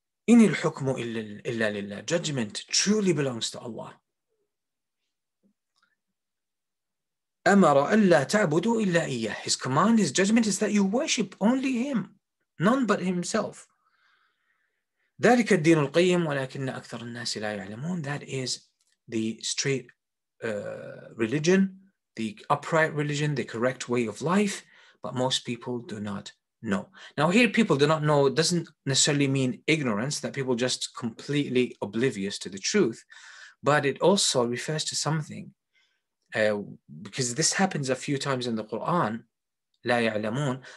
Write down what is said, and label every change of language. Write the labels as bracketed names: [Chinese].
[Arabic] إِنِ الْحُكْمُ إِلَّا لِلَّهِ. [English] Judgment truly belongs to Allah. [Arabic] أَمَرَ أَلَّا تَعْبُدُوا إِلَّا إِيَّهِ. [English] His command, his judgment is that you worship only him, none but himself. [Arabic] ذلك الدين القيم ولكن أكثر الناس لا يعلمون. [English] That is the straight religion, the upright religion, the correct way of life, but most people do not No. Now here, people do not know doesn't necessarily mean ignorance, that people just completely oblivious to the truth, but it also refers to something, because this happens a few times in the Quran, [Arabic] لا يعلمون.